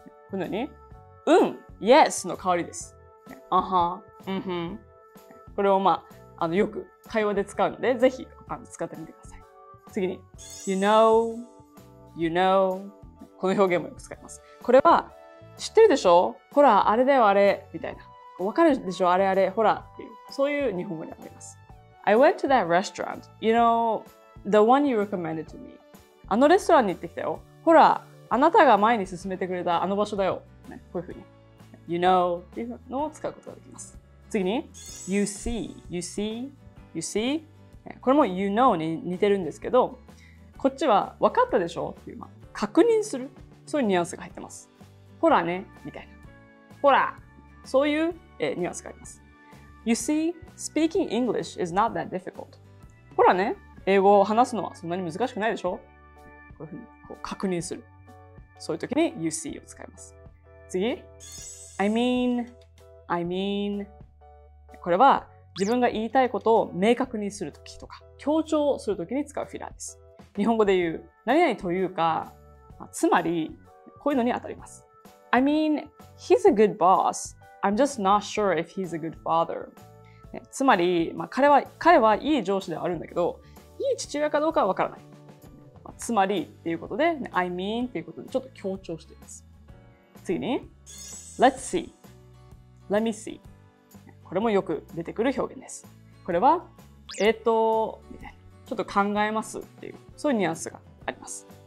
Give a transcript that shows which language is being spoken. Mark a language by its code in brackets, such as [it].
[ja] このように、うん、Yes の代わりです。あは、うんふん、これをよく会話で使うので、ぜひ使ってみてください。次に You know、 You know、 この表現もよく使います。これは知ってるでしょ、ほらあれだよあれみたいな、わかるでしょあれあれほらっていう、そういう日本語になります。 [en] I went to that restaurant, you know, the one you recommended to me。 [ja] あのレストランに行ってきたよ、ほらあなたが前に進めてくれたあの場所だよ、ね、こういうふうに You know っていうのを使うことができます。次に You see, you see, you see、これも you know に似てるんですけど、こっちは分かったでしょっていう、まあ、確認する、そういうニュアンスが入ってます。ほらねみたいな、ほらそういう、ニュアンスがあります。 [en] You see, speaking English is not that difficult. [ja] ほらね、英語を話すのはそんなに難しくないでしょ。こういうふうにこう確認する、そういう時に You see を使います。次、 I mean、 これは自分が言いたいことを明確にするときとか強調するときに使うフィラーです。日本語で言う何々というか、つまりこういうのに当たります。 [en] I mean, he's a good boss. I'm just not sure if he's a good father. [ja] つまり、まあ、彼はいい上司ではあるんだけど、いい父親かどうかはわからない。つまりっていうことで、ね、I mean っていうことでちょっと強調しています。次に Let's see, let me see。これもよく出てくる表現です。これはみたいな、ちょっと考えますっていう、そういうニュアンスがあります。